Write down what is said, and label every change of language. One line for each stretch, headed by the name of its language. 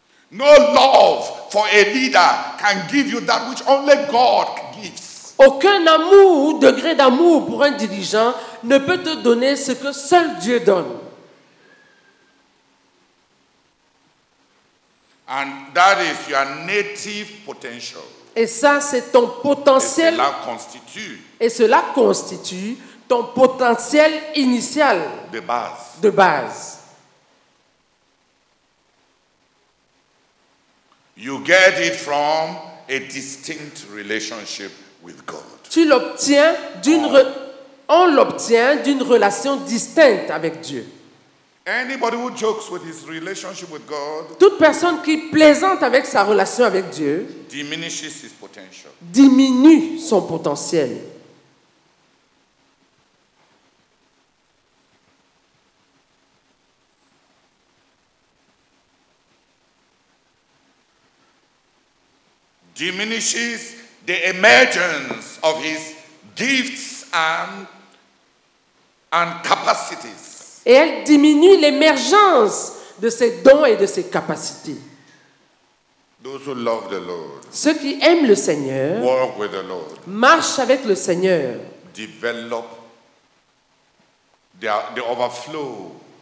English: No love for a leader can give you that which only God gives.
French: Aucun amour ou degré d'amour pour un dirigeant ne peut te donner ce que seul Dieu donne.
English: And that is your native potential.
French: Et ça, c'est ton potentiel. Et cela constitue. Et cela constitue ton potentiel initial. De base. De base.
English: You get it from a distinct relationship with God.
French: Tu l'obtiens d'une on l'obtient d'une relation distincte avec Dieu.
English: Anybody who jokes with his relationship with God,
French: toute personne qui plaisante avec sa relation avec Dieu
English: diminishes his potential.
French: Diminue son potentiel.
English: Diminishes the emergence of his gifts and capacities.
French: Et elle diminue l'émergence de ses dons et de ses capacités.
English: Those who love the Lord,
French: ceux qui aiment le Seigneur
English: work with the Lord,
French: marchent avec le Seigneur
English: develop the overflow,